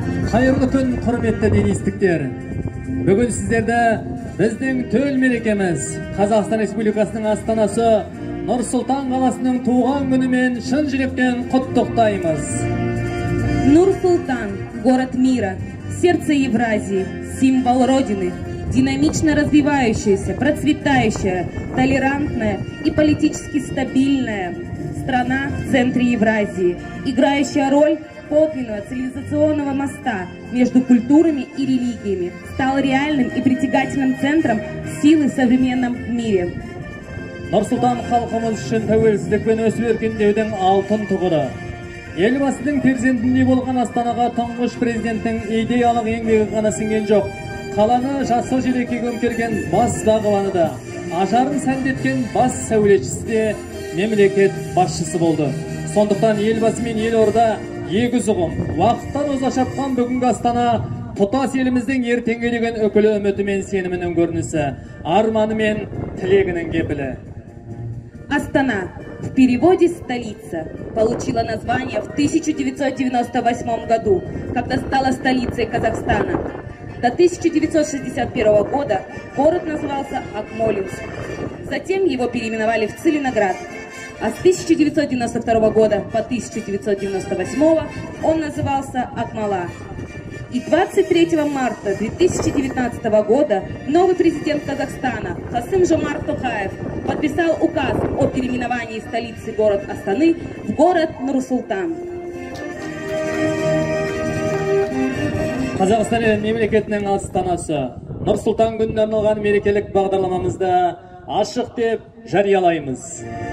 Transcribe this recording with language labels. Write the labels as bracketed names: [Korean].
[Kazakh] Қайырлы күн, құрметті денистіктер! Бүгін сіздерді біздің төл мерекеміз, Қазақстан Республикасының астанасы Нұр-Сұлтан қаласының туған күнімен шын жүректен құттықтаймыз. [Russian] Нұр-Сұлтан – город мира, сердце Евразии, символ Родины, динамично развивающаяся, процветающая, толерантная и политически стабильная страна в центре Евразии, играющая роль подлинного цивилизационного моста между культурами и религиями, стал реальным и притягательным центром силы в современном мире. [Kazakh] Нұр-Сұлтан халқымыз үшін тәуелсіздік пен өсіп-өркендеудің алтын тұғыры. Елбасының перзентінде болған Астанаға тұңғыш президенттің идеялық еңбегі ғана сіңген жоқ. Қаланы жасыл желекке көмкерген бас бағбаны да, ажарын сәндеткен бас сәулетшісі де мемлекет басшысы болды. Сондықтан елбасы мен елорда егіз ұғым, уақыттан оза шапқан бүгінгі Астана тұтас еліміздің ертеңге деген үкілі үміті мен сенімінің көрінісі, арманы мен тілегінің кепілі. [Russian] Астана в переводе «столица» получила название в 1998 году, когда стала столицей Казахстана. До 1961 года город назывался Акмолинск. Затем его переименовали в Целиноград. А с 1992 года по 1998 он назывался Акмала. И 23 марта 2019 года новый президент Казахстана Касым-Жомарт Токаев подписал указ о переименовании столицы город Астаны в город Нур-Султан. [Kazakh] Қазақстан мемлекетінің астанасы Нұр-Сұлтан күніне арналған мерекелік бағдарламамызды ашық деп жариялаймыз.